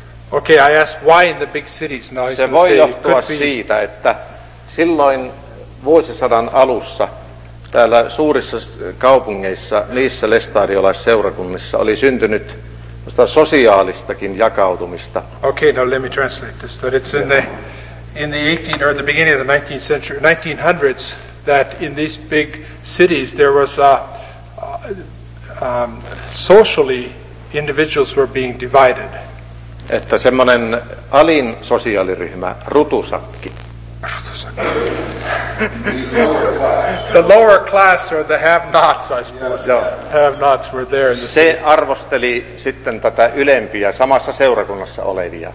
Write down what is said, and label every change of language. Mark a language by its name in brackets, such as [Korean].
[English] Okay, I asked why in the big cities. Now [Finnish] se voi johtua siitä, että silloin vuosisadan alussa täällä suurissa kaupungeissa, niissä lestadiolaisseurakunnissa oli syntynyt musta sosiaalistakin jakautumista. [English] Okay, now let me translate this. That it's in the beginning of the 19th century, 1900s, that in these big cities there was a socially individuals were being divided. [Finnish] Että semmoinen alin sosiaaliryhmä, rutusakki. [English] The lower class or the have-nots, I suppose. Have-nots were there in the [Finnish] city. Se arvosteli sitten tätä ylempiä samassa seurakunnassa olevia.